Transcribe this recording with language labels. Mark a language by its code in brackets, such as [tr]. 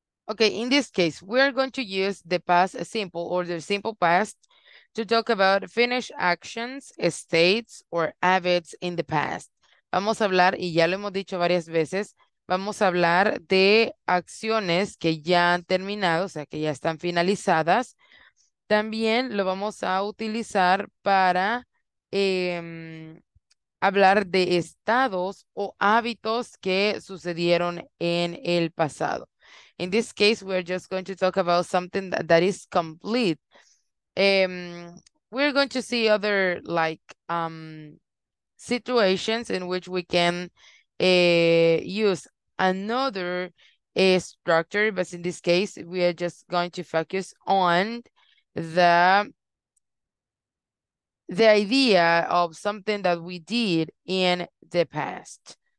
[en] Okay, in this case, we're going to use the past simple or the simple past to talk about finished actions, states, or habits in the past. [es] Vamos a hablar, y ya lo hemos dicho varias veces, vamos a hablar de acciones que ya han terminado, o sea, que ya están finalizadas. También lo vamos a utilizar para hablar de estados o hábitos que sucedieron en el pasado. [en] In this case, we're just going to talk about something that, is complete. We're going to see other like situations in which we can use another structure, but in this case, we are just going to focus on the idea of something that we did in the past.